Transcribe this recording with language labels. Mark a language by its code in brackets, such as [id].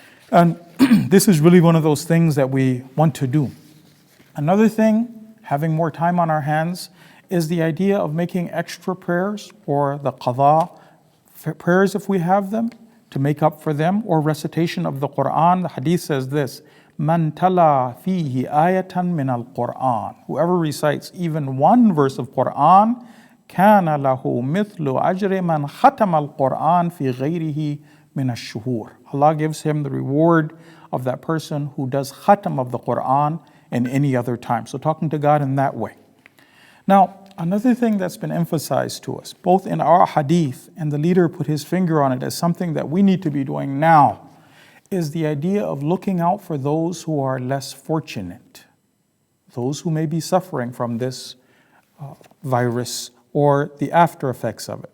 [en] And this is really one of those things that we want to do. Another thing, having more time on our hands, is the idea of making extra prayers, or the qadha prayers if we have them, to make up for them, or recitation of the Qur'an. The hadith says this, [ar] مَنْ تَلَى فِيهِ آيَةً مِنَ الْقُرْآنِ, [en] whoever recites even one verse of Qur'an, [ar] كَانَ لَهُ مِثْلُ أَجْرِ مَنْ خَتَمَ الْقُرْآنِ فِي غَيْرِهِ مِنَ الشُّهُورِ. [en] Allah gives him the reward of that person who does khatam of the Qur'an in any other time. So talking to God in that way. Now, another thing that's been emphasized to us, both in our hadith, and the leader put his finger on it as something that we need to be doing now, is the idea of looking out for those who are less fortunate, those who may be suffering from this virus or the after effects of it.